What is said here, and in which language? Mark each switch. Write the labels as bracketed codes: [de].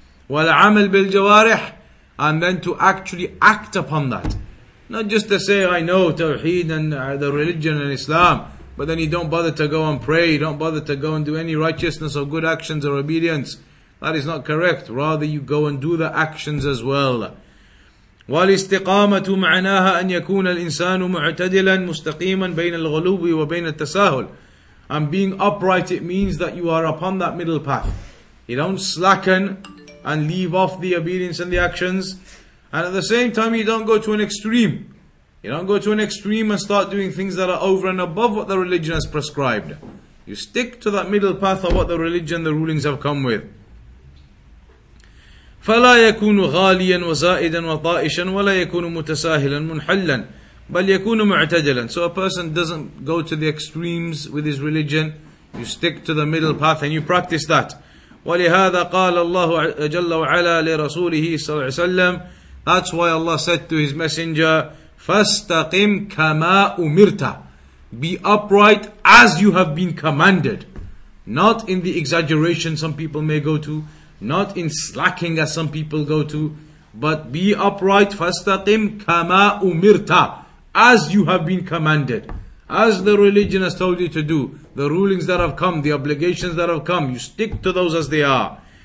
[ar] وَالْعَمَلْ بِالْجَوَارِحِ, [en] and then to actually act upon that. Not just to say, I know tawheed and the religion and Islam, but then you don't bother to go and pray, you don't bother to go and do any righteousness or good actions or obedience. That is not correct. Rather, you go and do the actions as well. [ar] والاستقامة معناها أن يكون الإنسان معتدلا مستقيما بين الغلو وبين التساهل. [en] And being upright, it means that you are upon that middle path. You don't slacken and leave off the obedience and the actions. And at the same time, you don't go to an extreme. You don't go to an extreme and start doing things that are over and above what the religion has prescribed. You stick to that middle path of what the religion, the rulings have come with. [ar] فلا يكون غاليا وزائدا وطائشا ولا يكون متساهلا منحلا بل يكون معتدلا. [en] So a person doesn't go to the extremes with his religion. You stick to the middle path and you practice that. [ar] ولهذا قال الله جل وعلا لرسوله صلى الله عليه وسلم. [en] That's why Allah said to his messenger, [ar] فاستقم كما أمرت. [en] Be upright as you have been commanded. Not in the exaggeration some people may go to, not in slacking as some people go to, but be upright, [ar] فَاسْتَقِمْ كَمَا أُمِرْتَ, [en] as you have been commanded, as the religion has told you to do, the rulings that have come, the obligations that have come, you stick to those as they are.